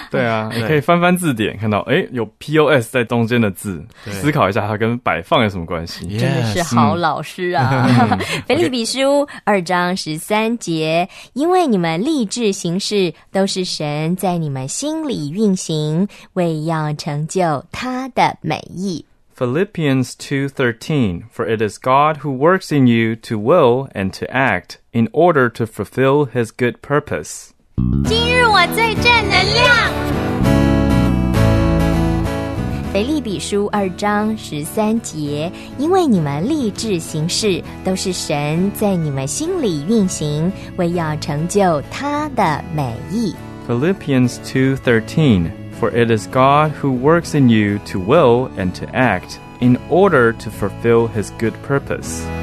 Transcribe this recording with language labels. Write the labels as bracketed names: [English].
[Chinese] 对啊你可以翻翻字典看到诶有 POS 在中间的字思考一下它跟摆放有什么关系 [English] yes, [Chinese] 真的是好老师啊腓立比书二章十三节因为你们立志行事都是神在你们心里运行为要成就他的美意 [English] Philippians 2:13 For it is God who works in you to will and to act in order to fulfill his good purpose. [Chinese] 今日我最正能量。腓立比书二章十三节，因为你们立志行事，都是神在你们心里运行，为要成就他的美意。 [English] Philippians 2:13, For it is God who works in you to will and to act in order to fulfill his good purpose.